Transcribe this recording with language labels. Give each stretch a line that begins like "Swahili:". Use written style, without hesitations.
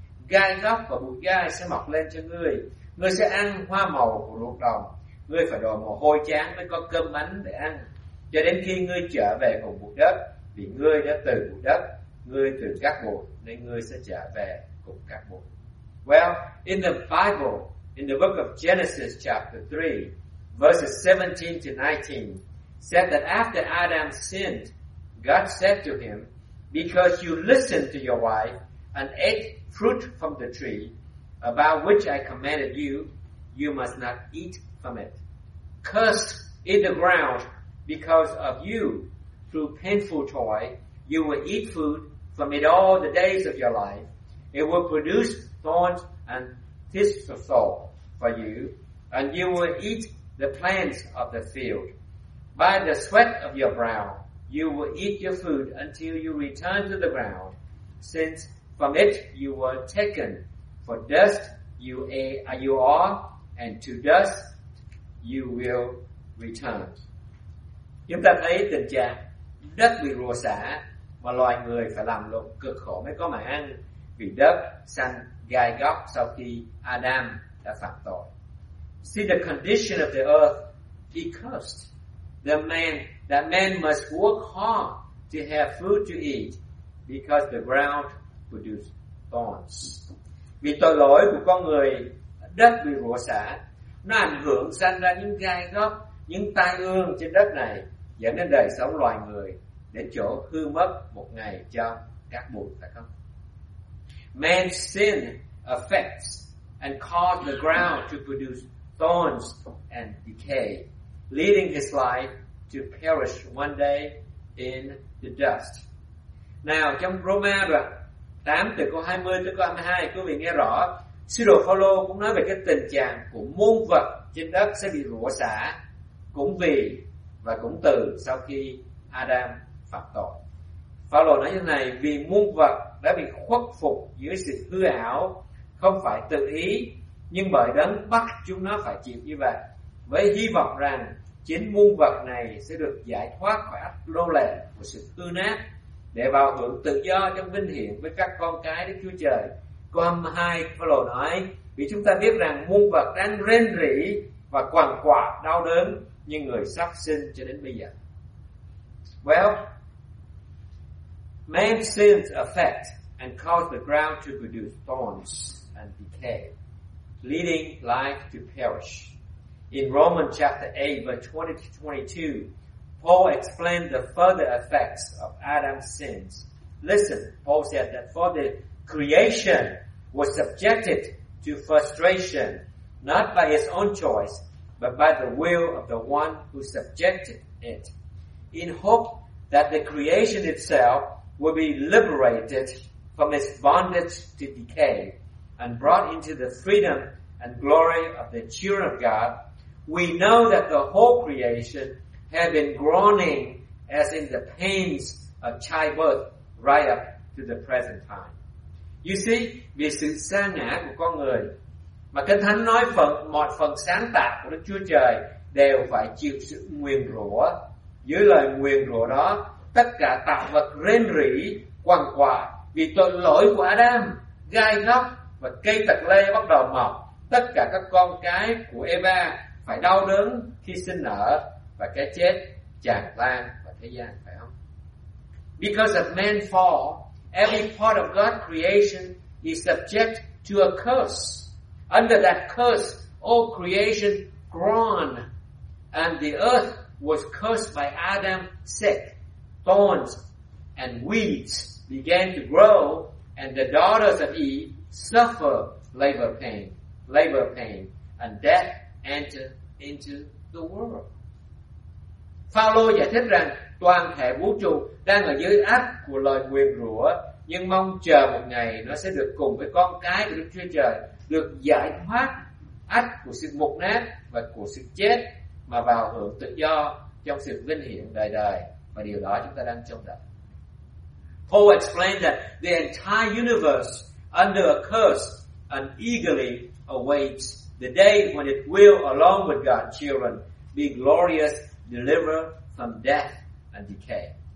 Vietnamese: Gai góc và bụi gai sẽ mọc lên cho ngươi. Ngươi sẽ ăn hoa màu của ruộng đồng. Ngươi phải đổ mồ hôi chán mới có cơm bánh để ăn. Cho đến khi ngươi trở về vùng bụi đất, vì ngươi đã từ bụi đất, ngươi từ cát bụi, nên ngươi sẽ trở về cùng cát bụi.
English: Well, in the Bible, in the book of Genesis chapter 3, verses 17 to 19, said that after Adam sinned, God said to him, because you listened to your wife and ate fruit from the tree about which I commanded you, you must not eat from it. Cursed is the ground because of you. Through painful toil, you will eat food from it all the days of your life. It will produce thorns and thistles of salt for you, and you will eat the plants of the field. By the sweat of your brow, you will eat your food until you return to the ground, since from it you were taken. For dust you are, and to dust you will return.
Vietnamese: Chúng ta thấy tình trạng đất bị rủa xả mà loài người phải làm lụng cực khổ mới có mà ăn, vì đất xanh gai góc sau khi Adam đã phạm tội.
English: See the condition of the earth, he cursed. That man must work hard to have food to eat because the ground produced thorns.
Vietnamese: Vì tội lỗi của con người, đất bị rủa xả, nó ảnh hưởng sanh ra những gai góc, những tai ương trên đất này, dẫn đến đời sống loài người đến chỗ hư mất một ngày cho các bụi, phải không?
English: Man's sin affects and caused the ground to produce thorns and decay, leading his life to perish one day in the dust.
Vietnamese: Now, trong Roma đoạn 8 từ câu 20 tới câu 22, quý vị nghe rõ, sứ đồ Phaolô cũng nói về cái tình trạng của muôn vật trên đất sẽ bị rủa xả, cũng vì và cũng từ sau khi Adam phạm tội. Phaolô nói như thế này: vì muôn vật đã bị khuất phục dưới sự hư ảo, không phải tự ý, nhưng bởi đấng bắt chúng nó phải chịu như vậy, với hy vọng rằng chính muôn vật này sẽ được giải thoát khỏi ách nô lệ của sự hư nát, để vào hưởng tự do trong vinh hiển với các con cái Đức Chúa Trời. Câu 22, Phaolô nói: vì chúng ta biết rằng muôn vật đang rên rỉ và quằn quại đau đớn như người sắp sinh cho đến bây giờ.
English: Well, man's sins affect and cause the ground to produce thorns and decay, leading life to perish. In Romans chapter 8, verse 20-22, Paul explained the further effects of Adam's sins. Listen, Paul said that for the creation was subjected to frustration, not by its own choice, but by the will of the one who subjected it, in hope that the creation itself will be liberated from its bondage to decay and brought into the freedom and glory of the children of God. We know that the whole creation had been groaning as in the pains of childbirth right up to the present time. You see,
Vietnamese: vì sự sa ngã của con người mà Kinh Thánh nói phần, mọi phần sáng tạo của Đức Chúa Trời đều phải chịu sự nguyền rủa. Dưới lời nguyền rủa đó, tất cả tạo vật rên rỉ quằn quại vì tội lỗi của Adam, gai góc và cây tật lê bắt đầu mọc. Tất cả các con cái của Eva phải đau đớn khi sinh nở và cái chết tràn lan vào thế gian, phải không?
English: Because of man's fall, every part of God's creation is subject to a curse. Under that curse, all creation groaned, and the earth was cursed by Adam's sin. Thorns and weeds began to grow, and the daughters of Eve suffered labor pain, and death entered into the world.
Vietnamese: Phaolô giải thích rằng toàn thể vũ trụ đang ở dưới áp của lời nguyền rủa, nhưng mong chờ một ngày nó sẽ được cùng với con cái của Đức Chúa Trời được giải thoát ách của sự mục nát và của sự chết, mà vào hưởng tự do trong sự vinh hiển đời đời. Và điều đó chúng ta đang trông đợi.
English: Paul explained that the entire universe under a curse and eagerly awaits the day when it will, along with God's children, be glorious, delivered from death and decay.